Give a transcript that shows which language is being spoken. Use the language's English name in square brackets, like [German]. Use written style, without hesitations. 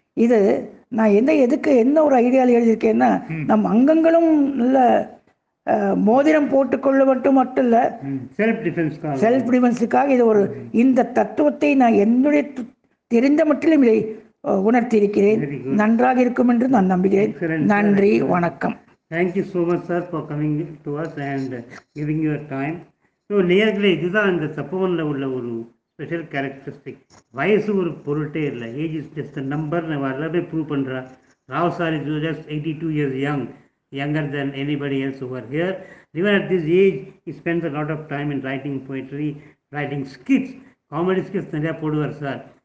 [Tamil] இது நான் என்ன எதுக்கு என்ன ஒரு ஐடியாவில் எழுதியிருக்கேன்னா, நம் அங்கங்களும் நல்ல மோதிரம் போட்டுக்கொள்ள மட்டும் இல்ல, செல்ஃப் டிஃபென்ஸுக்காக. இது ஒரு இந்த தத்துவத்தை நான் என்னுடைய தெரிந்த மட்டிலும் இதை உணர்த்தி இருக்கிறேன். நன்றாக இருக்கும் என்று நான் நம்புகிறேன். நன்றி, வணக்கம். [English] Thank you so much, sir, for coming to us and giving your time. [Tamil] So, நேயர்களே, இதுதான் இந்த சப்பவனில் உள்ள ஒரு ஸ்பெஷல் கேரக்டரிஸ்டிக். வயசு ஒரு பொருட்டே இல்லை. [English] Age is just a number. [Tamil] எல்லாமே ப்ரூவ் பண்ணுறா. [English] Rao sir is just 82 years young, younger than anybody else who are here. Even at this age he spends a lot of time in writing poetry, writing skits, comedy skits [Tamil] நிறையா போடுவார் sir.